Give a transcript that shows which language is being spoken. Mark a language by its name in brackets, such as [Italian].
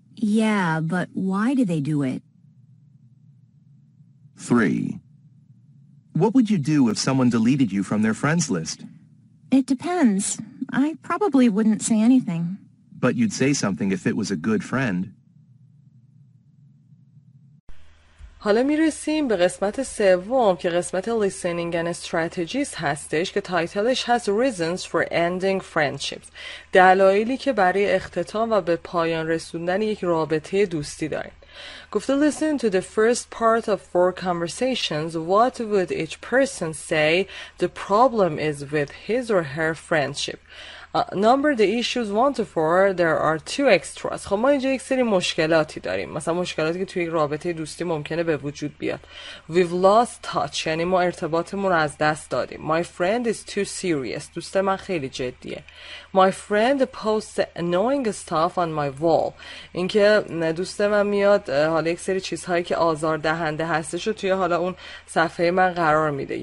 [English] Yeah, but why do they do it? 3. What would you do if someone deleted you from their friends list? It depends. I probably wouldn't say anything. But you'd say something if it was a good friend. [Persian] حالا میرسیم به قسمت سوم که قسمت Listening and Strategies هستش که تایتلش هست [English] Reasons for Ending Friendships، [Persian] دلایلی که برای اختتام و به پایان رسوندن یک رابطه دوستی دارین. گفته [English] Listen to the first part of four conversations. What would each person say the problem is with his or her friendship? Number the issues 1 to 4, there are two extras. [Persian] خب ما اینجا یک سری مشکلاتی داریم، مثلا مشکلاتی که توی یک رابطه دوستی ممکنه به وجود بیاد. [English] We've lost touch، [Persian] یعنی ما ارتباطمون از دست دادیم. [English] My friend is too serious، [Persian] دوست من خیلی جدیه. [English] My friend posts annoying stuff on my wall، [Persian] اینکه دوست من میاد حالا یک سری چیزهایی که آزاردهنده هستش رو توی حالا اون صفحه من قرار میده.